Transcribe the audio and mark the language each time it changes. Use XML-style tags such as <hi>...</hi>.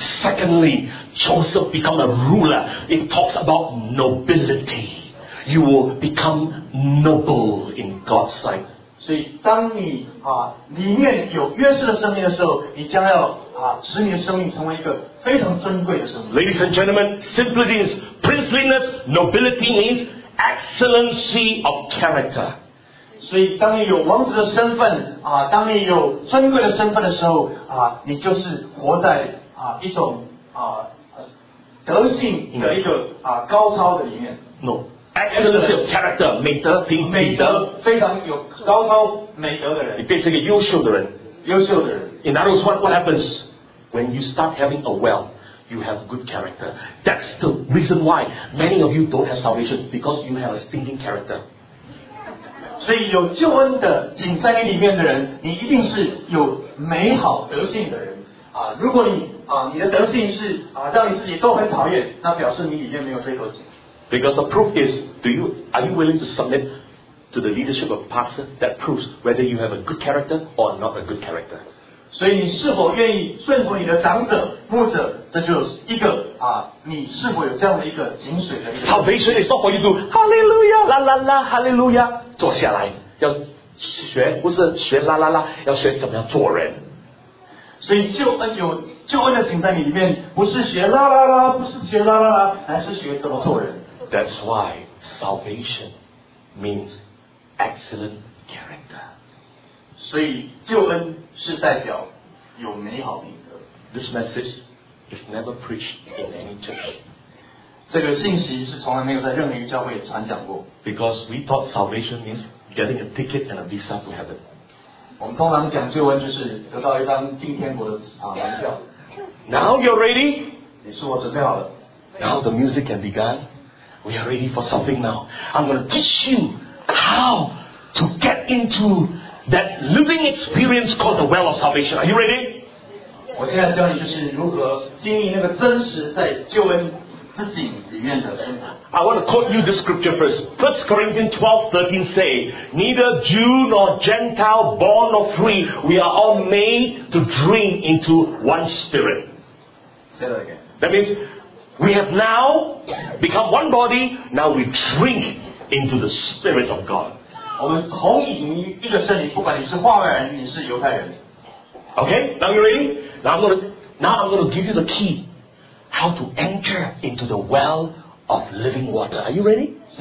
<en>Secondly, Joseph become a ruler. It talks about nobility. You will become noble in God's sight.</en> <zh>所以当你啊里面有约瑟的生命的时候，你将要啊使你的生命成为一个非常尊贵的生命。</zh> <en>Ladies and gentlemen, simplicity is princeliness. Nobility means excellency of character.</en> <zh>所以当你有王子的身份、啊、当你有尊贵的身份的时候、啊、你就是活在、啊、一种、啊、德性的一个、啊、高超的里面。</zh> <en>No excellence of character，</en> <zh>美德，品德，美德非常有高超美德的人，你变成一个优秀的人，优秀的人。</zh> <en>In other words, what happens when you start having a well, you have good character. That's the reason why many of you don't have salvation, because you have a stinking character.</en> <zh>所以有救恩的井在你里面的人，你一定是有美好德性的人、啊、如果 你的德性是、啊、让你自己都很讨厌，那表示你里面没有这口井。</zh> <en>Because the proof is, are you willing to submit to the leadership of a pastor that proves whether you have a good character or not a good character?</en> <zh>所以你是否愿意顺服你的长者、牧者，这就是一个、啊、你是否有这样的一个井水的一个。</zh> <en>Salvation is not for you to Hallelujah, la la la, Hallelujah.</en> <zh>坐下来要学，不是学啦啦啦，要学怎么样做人。所以救恩的井在你里面，不是学啦啦啦，不是学啦啦啦，而是学怎么做人。</zh> <en>That's why salvation means excellent character.</en> <zh>所以救恩是代表有美好品格。</zh> <en>This message is never preached in any church.</en> <zh>这个信息是从来没有在任何一个教会传讲过。</zh> <en>Because we thought salvation means getting a ticket and a visa to heaven.</en> <zh>我们通常讲救恩就是得到一张进天国的啊门票。</zh> <en>Now you're ready.</en> <zh>你是我准备好了。</zh> <en>Now the music can begin. We are ready for something now. I'm going to teach you how to get into that living experience called the well of salvation. Are you ready?</en> <zh>我现在教你就是如何经历那个真实在救恩。</zh> <en>I want to quote you this scripture first. 1 Corinthians 12:13 say, neither Jew nor Gentile, born nor free, we are all made to drink into one spirit. Say that again. That means we have now become one body, now we drink into the spirit of God.</en> <zh>我们同饮一个圣灵，不管你是化外人，你是犹太人。</zh> <en>Okay, now you ready? Now I'm going to give you the key.How to enter into the well of living water. Are you ready?</en>